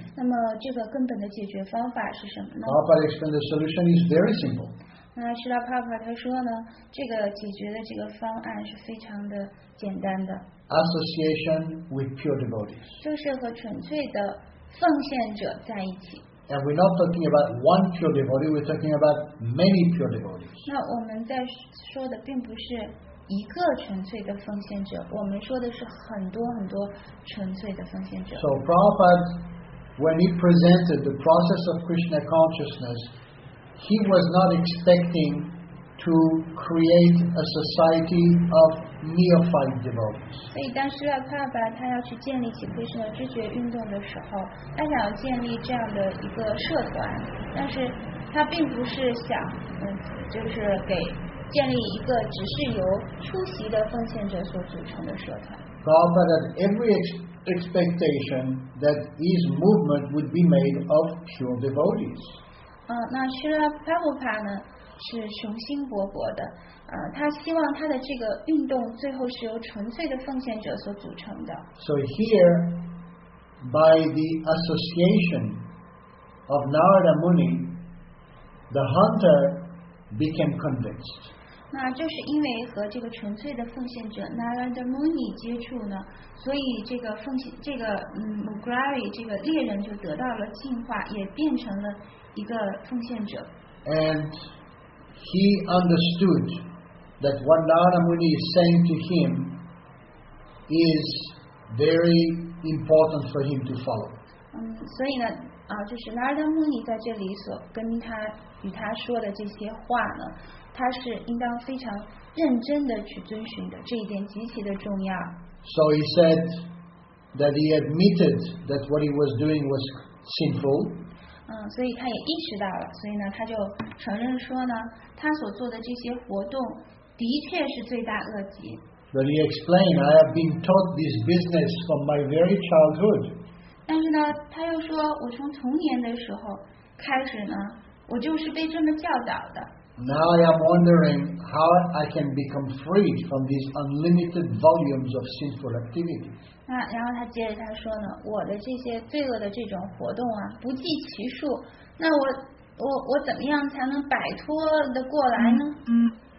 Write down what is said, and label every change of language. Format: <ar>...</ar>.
<zh>那么这个根本的解决方法是什么呢？</zh> <en>Prabhupada explained the solution is very simple.</en> <zh>那释迦帕帕他说呢，这个解决的这个方案是非常的简单的。</zh> <en>Association with pure devotees.</en> <zh>就是和纯粹的奉献者在一起。</zh> <en>And we're not talking about one pure devotee, we're talking about many pure devotees.</en> <zh>那我们在说的并不是一个纯粹的奉献者，我们说的是很多很多纯粹的奉献者。</zh> <en>So Prabhupada, when he presented the process of Krishna consciousness, he was not expecting to create a society of neophyte devotees.</en> <zh>所以当释迦帕帕他要去建立起克里希那知觉运动的时候，他想要建立这样的一个社团，但是他并不是想，就是给建立一个只是由出席的奉献者所组成的社团。</zh> <en>Prabhupada had every expectation that his movement would be made of pure devotees.</en> <zh>那释迦帕帕帕呢？是雄心勃勃的，他希望他的这个运动最后是由纯粹的奉献者所组成的。</zh> <en>So here, by the association of Narada Muni, the hunter became convinced.</en> <zh>那就是因为和这个纯粹的奉献者 Narada Muni 接触呢，所以这个奉献这个Mugrari 这个猎人就得到了进化，也变成了一个奉献者。</zh> <en>And he understood that what Narada Muni is saying to him is very important for him to follow.</en> <zh>所以呢，就是 Narada Muni 在这里所跟他与他说的这些话呢，他是应当非常认真的去遵循的，这一点极其的重要。</zh> <en>So he said that he admitted that what he was doing was sinful.</en> <zh>所以他也意识到了，所以呢，他就承认说呢，他所做的这些活动的确是罪大恶极。</zh> <en>But he explained, I have been taught this business from my very childhood.</en> <zh>但是呢，他又说，我从童年的时候开始呢，我就是被这么教导的。</zh> <en>Now I am wondering how I can become freed from these unlimited volumes of sinful activity.</en> <zh>那然后他接着他说呢，我的这些罪恶的这种活动啊，不计其数。那我怎么样才能摆脱的过来呢？</zh>